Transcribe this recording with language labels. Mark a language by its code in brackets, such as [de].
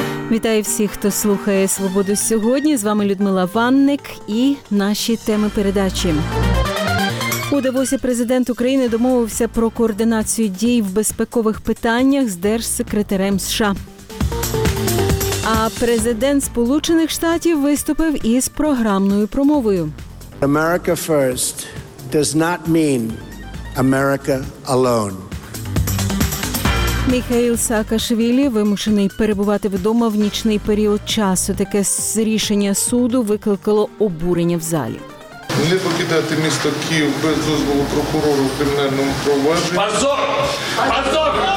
[uk] Вітаю всіх, хто слухає «Свободу сьогодні». З вами Людмила Ванник і наші теми передачі. У Давосі президент України домовився про координацію дій в безпекових питаннях з держсекретарем США. А президент Сполучених Штатів виступив із програмною промовою. [en] America first does not mean America alone. [uk] Міхаїл Саакашвілі вимушений перебувати вдома в нічний період часу. Таке рішення суду викликало обурення в залі. Не покидати місто Київ без дозволу прокурора в кримінальному провадженні. [ru] Позор! Позор!